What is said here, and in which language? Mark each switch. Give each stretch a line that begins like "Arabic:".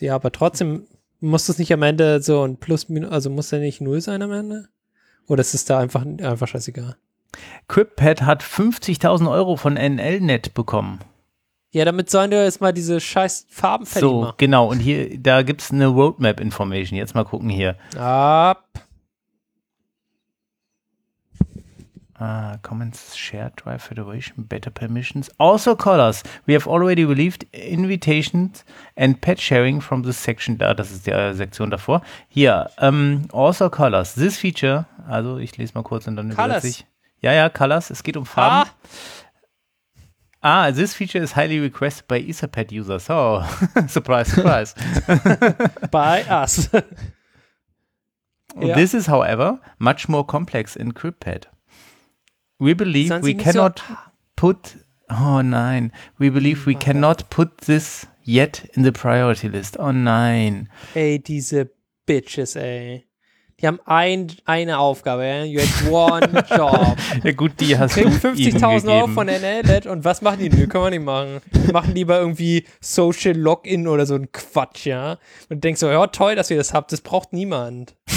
German: Ja, aber trotzdem muss das nicht am Ende so ein Plus, also muss der nicht null sein am Ende? Oder ist es da einfach scheißegal? Quippad hat 50.000 Euro von NLNet bekommen. Ja, damit sollen wir jetzt mal diese scheiß Farben fertig so, machen. So, genau. Und hier, da gibt's eine Roadmap-Information. Jetzt mal gucken hier. Ab. Ah, Comments, Shared Drive, Federation, Better Permissions. Also Colors.
English: We have already relieved invitations and patch sharing from the section.
German: Da, das ist die Sektion davor. Hier, also Colors. This feature, also ich lese mal kurz und dann übersetze ich. Ja, ja, Colors. Es geht um Farben.
English: This feature is highly requested by Etherpad users. Oh, surprise, surprise. By us. Yeah. This is, however, much more complex in Quippad. We believe we cannot put,
German: oh nein,
English: we believe we cannot put this yet in the priority list.
German: Oh nein. Ey, diese Bitches, ey. Die haben eine Aufgabe, ey.
English: You had one job.
German: Ja gut, die hast du 50.000 Euro von NLNet und was machen die? Nö, können wir nicht machen. Die machen lieber irgendwie Social Login oder so ein Quatsch, ja. Und denkst so, ja toll, dass ihr das habt, das braucht niemand.